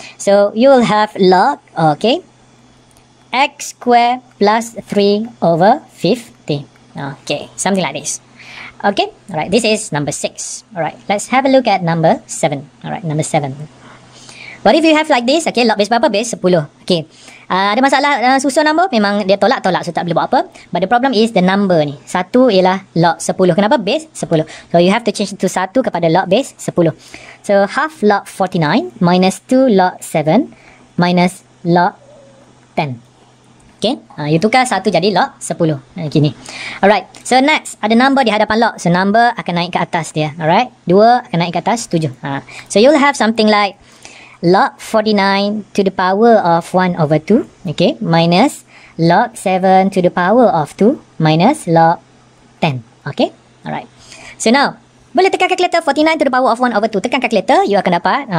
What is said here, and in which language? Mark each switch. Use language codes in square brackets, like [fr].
[en] So you'll have log, okay, x square plus 3 over 50. Okay, something like this. Okay, all right, this is number 6. All right, let's have a look at number 7. All right, number 7. What if you have like this? Okay, log base berapa? [ms] Base 10. Okay, ada masalah susun number? Memang dia tolak-tolak, so tak boleh buat apa. [en] But the problem is the number ni. [ms] 1 ialah log 10. Kenapa? [en] Base 10. So you have to change to 1 kepada log base 10. So half log 49 minus 2 log 7 minus log 10. [ms] Okay, you tukar 1 jadi log 10. Gini. [en] Alright, so next, [ms] ada number di hadapan log. So number akan naik ke atas dia. Alright, 2 akan naik ke atas 7. [en] So you'll have something like log 49 to the power of 1 over 2. Okay, minus log 7 to the power of 2 minus log 10. Okay, alright. So now, [ms] boleh tekan [en] calculator 49 to the power of 1 over 2. Tekan calculator, you akan dapat.